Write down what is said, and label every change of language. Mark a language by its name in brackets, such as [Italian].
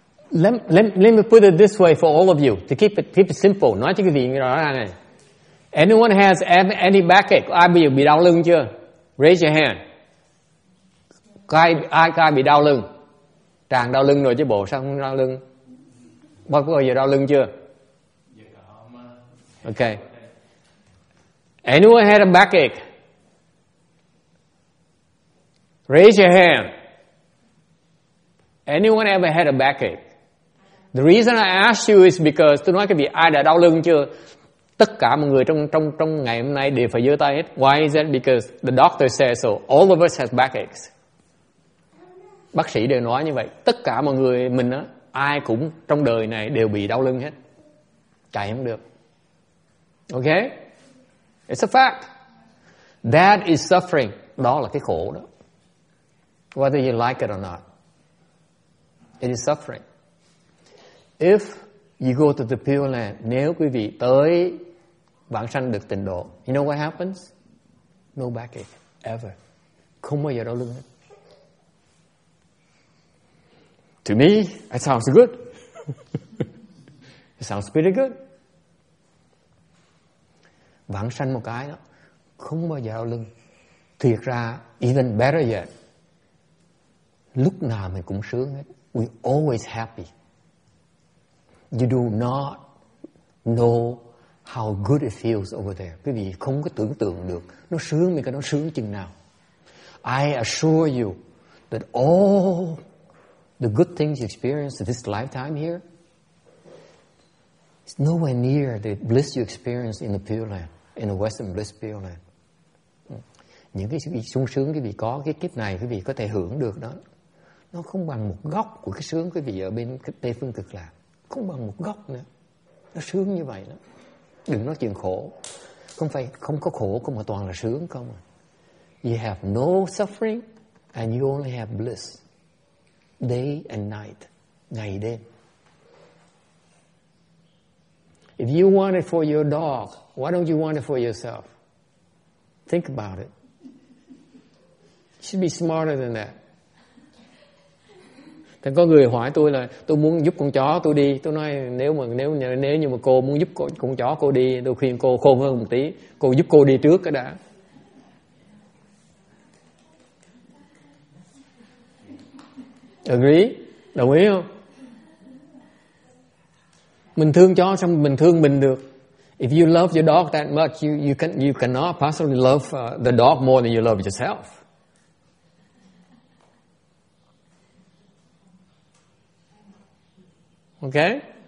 [English] Let me put it this way for all of you to keep it simple. [Vietnamese] Nói cho quý vị nghe rõ ràng này. [English] Anyone has any backache? [Vietnamese] Ai bị đau lưng chưa? [English] Raise your hand. [Vietnamese] Ai bị đau lưng? Tràn đau lưng rồi chứ bộ sao không đau lưng? Bao giờ giờ đau lưng chưa? [English] Okay. Anyone had a backache? Raise your hand. Anyone ever had a backache? The reason I ask you is because [Vietnamese] tôi nói cái gì, ai đã đau lưng chưa? Tất cả mọi người trong ngày hôm nay đều phải giơ tay hết. [English] Why is that? Because the doctor says so. All of us have backaches. [Vietnamese] Bác sĩ đều nói như vậy. Tất cả mọi người mình á, ai cũng trong đời này đều bị đau lưng hết. Chạy không được. Okay? [English] It's a fact. That is suffering. [Vietnamese] Đó là cái khổ đó. [English] Whether you like it or not. It is suffering. If you go to the Pure Land, [Vietnamese] nếu quý vị tới vãng sanh được tịnh độ, [English] you know what happens? No backache ever. [Vietnamese] Không bao giờ đau lưng hết. [English] To me, it sounds good. It sounds pretty good. [Vietnamese] Vãng sanh một cái đó, không bao giờ đau lưng. Thiệt ra, [English] even better yet, [Vietnamese] lúc nào mình cũng sướng hết. [English] We always happy. You do not know how good it feels over there. [Vietnamese] Quý vị không có tưởng tượng được. Nó sướng mình cái nó sướng chừng nào. [English] I assure you that all the good things you experience this lifetime here is nowhere near the bliss you experience in the Pure Land, in the Western Bliss Pure Land. [Vietnamese] Những cái sung sướng quý vị có cái kiếp này quý vị có thể hưởng được đó, nó không bằng một góc của cái sướng quý vị ở bên Tây Phương Cực Lạc. Không bằng một góc nữa. Nó sướng như vậy đó. Đừng nói chuyện khổ. Không phải không có khổ không mà toàn là sướng không. [English] You have no suffering and you only have bliss. Day and night. [Vietnamese] Ngày đêm. [English] If you want it for your dog, why don't you want it for yourself? Think about it. You should be smarter than that. [Vietnamese] Thì có người hỏi tôi là tôi muốn giúp con chó tôi đi. Tôi nói nếu như mà cô muốn giúp con chó cô đi, tôi khuyên cô khôn hơn một tí, cô giúp cô đi trước cái đã. Agree? Đồng ý không? Mình thương chó xong mình thương mình được. [English] If you love your dog that much, you cannot possibly love the dog more than you love yourself. Ok.